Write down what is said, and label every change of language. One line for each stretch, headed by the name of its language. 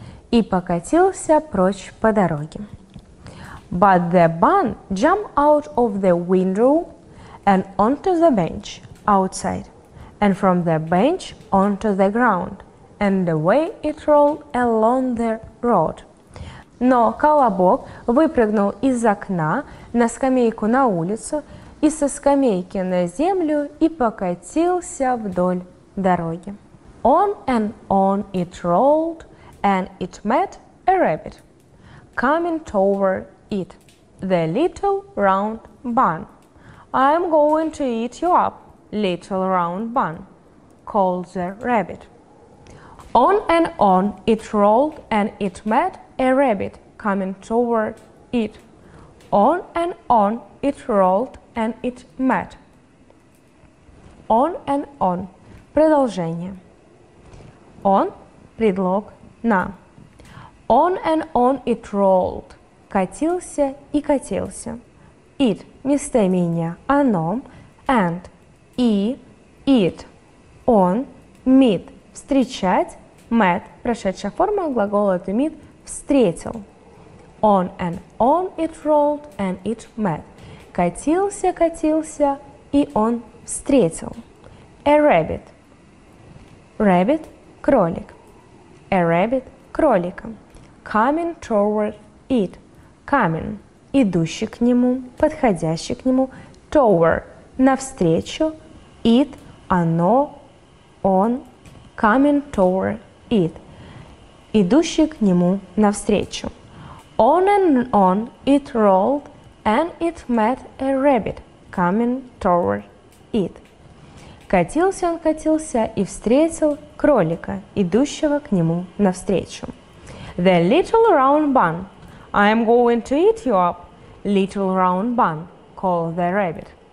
Russian: И покатился прочь по дороге.
English: But the bun jumped out of the window and onto the bench outside. And from the bench onto the ground. And away it rolled along the road.
Russian: Но колобок выпрыгнул из окна на скамейку на улицу и со скамейки на землю и покатился вдоль дороги.
English: On and on it rolled and it met a rabbit coming toward it, the little round bun. I'm going to eat you up, little round bun, called the rabbit. On and on it rolled and it met a rabbit coming toward it. On and on it rolled and it met. On and on.
Russian: Продолжение.
English: On –
Russian: предлог на.
English: On and on it rolled.
Russian: Катился и катился.
English: It
Russian: – местоимение оно.
English: And
Russian: – и, it.
English: On – meet
Russian: – встречать.
English: Met
Russian: – прошедшая форма глагола
English: to meet
Russian: – встретил.
English: On and on it rolled and it met.
Russian: Катился, катился, и он встретил.
English: A rabbit. Rabbit –
Russian: кролик.
English: A rabbit –
Russian: кролика.
English: Coming toward it. Coming
Russian: – идущий к нему, подходящий к нему.
English: Toward
Russian: – навстречу.
English: It
Russian: – оно, он.
English: Coming toward it.
Russian: Идущий к нему навстречу.
English: On and on it rolled and it met a rabbit coming toward it.
Russian: Катился он, катился и встретил кролика, идущего к нему навстречу.
English: The little round bun. I'm going to eat you up, little round bun, called the rabbit.